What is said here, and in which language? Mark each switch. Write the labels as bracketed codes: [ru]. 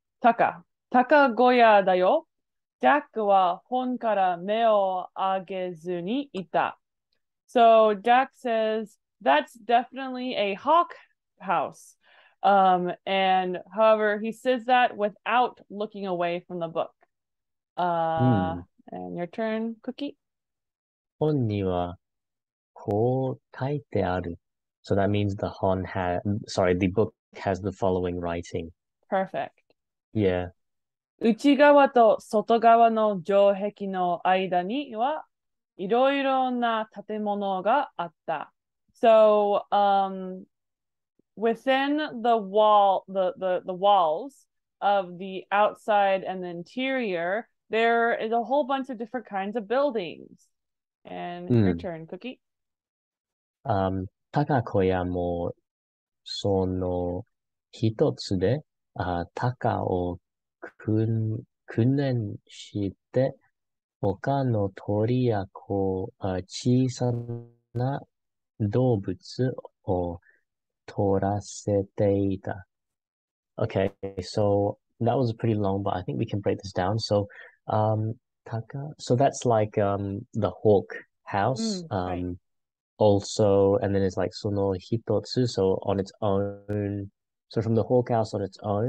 [ja] Taka goya da yo. Jack wa hon kara me o agezu ni ita. [en] So Jack says that's definitely a hawk house. And however, he says that without looking away from the book. And your turn, Cookie. [ja] 本にはこう書いてある。 [en] So that means the hon has, sorry, the book has the following writing. Perfect. Yeah. [ja] 内側と外側の城壁の間にはいろいろな建物があった。 [en] So, within the wall, the walls of the outside and the interior, there is a whole bunch of different kinds of buildings. And your turn, Cookie. [ja] Takakoya mo sono hitotsu de taka o 訓練して他の鳥や小さな動物を取らせていた。 [en] Okay, so that was pretty long, but I think we can break this down. So, Taka, so that's like the hawk house. Also, and then it's like その一つ, so on its own. So from the hawk house on its own.